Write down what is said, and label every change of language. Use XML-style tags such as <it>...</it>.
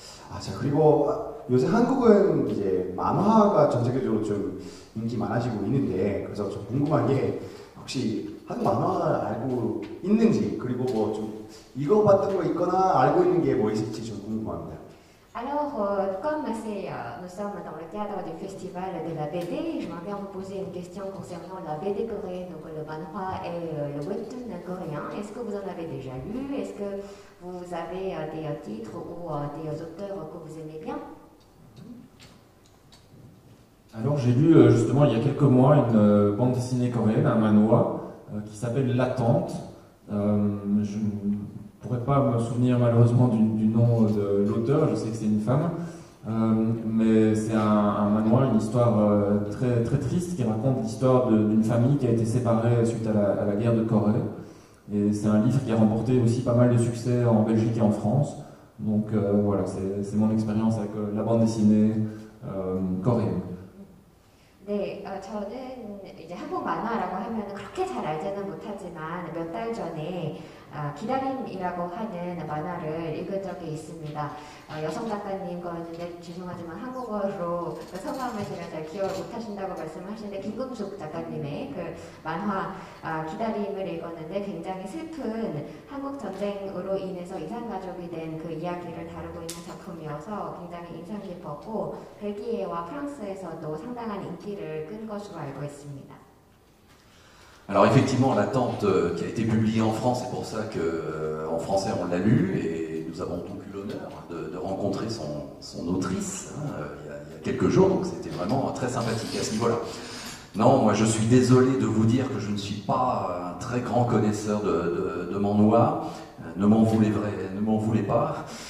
<ko>아, 자, 그리고 요새 한국은 이제 만화가 전 세계적으로 좀 인기 많아지고 있는데 그래서 좀 궁금한 게 혹시 한국 만화 알고 있는지 그리고 뭐 좀 읽어봤던 거 있거나 알고 있는 게 뭐 있을지 좀 궁금합니다.</ko> <fr>Alors, comme c'est, nous sommes dans le cadre du festival de la BD, je m'en viens vous poser une question concernant la BD coréenne, donc le manhwa et le webtoon coréen. Est-ce que vous en avez déjà lu? Est-ce que vous avez des titres ou des auteurs que vous aimez bien? Alors, j'ai lu justement il y a quelques mois une bande dessinée coréenne, un manhwa, qui s'appelle L'Attente. Je ne pourrais pas me souvenir malheureusement du nom de l'auteur, je sais que c'est une femme, mais c'est un manoir, une histoire très, très triste qui raconte l'histoire d'une famille qui a été séparée suite à la guerre de Corée. Et c'est un livre qui a remporté aussi pas mal de succès en Belgique et en France. Donc voilà, c'est mon expérience avec la bande dessinée coréenne.</fr> <ko>네, 저는 이제 한국 만화라고 하면 그렇게 잘 알지는 못하지만 몇달 전에 기다림이라고 하는 만화를 읽은 적이 있습니다. 여성 작가님 거였는데 죄송하지만 한국어로 그 성함을 제가 잘 기억을 못하신다고 말씀하시는데 김금숙 작가님의 그 만화 기다림을 읽었는데 굉장히 슬픈 한국 전쟁으로 인해서 이산가족이 된그 이야기를 다루고 있는 작품이어서 굉장히 인상 깊었고 벨기에와 프랑스에서도 상당한 인기를 끈 것으로 알고 있습니다.</ko> <fr>Alors effectivement, La Tente, qui a été publiée en France, c'est pour ça qu'en français on l'a lu et nous avons donc eu l'honneur de rencontrer son autrice il y a quelques jours, donc c'était vraiment très sympathique à ce niveau-là. Non, moi je suis désolé de vous dire que je ne suis pas un très grand connaisseur de Manhua, ne m'en voulez pas.</fr>